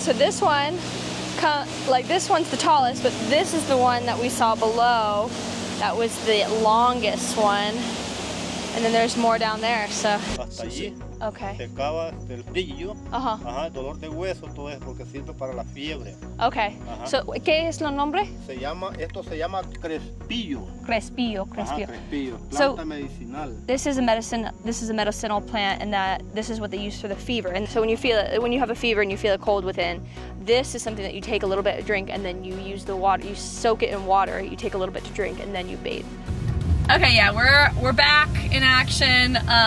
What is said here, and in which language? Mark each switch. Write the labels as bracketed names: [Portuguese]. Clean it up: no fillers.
[English] So this one, like this one's the tallest, but this is the one that we saw below. That was the longest one. And then there's more down there. So. [Spanish] Hasta allí. [English] Okay. [Spanish] Se acaba del brillo. Ajá. Ajá. Dolor de hueso, todo eso que sirve para la fiebre. [English] Okay. So, [Spanish] ¿qué es el nombre? Se llama, esto se llama crespillo. Crespillo, crespillo. Ajá, crespillo. Planta medicinal. [English] This is a medicine. This is a medicinal plant, and that this is what they use for the fever. And so when you feel it, when you have a fever and you feel a cold within, this is something that you take a little bit of drink, and then you use the water. You soak it in water. You take a little bit to drink, and then you bathe. Okay, yeah, we're back in action.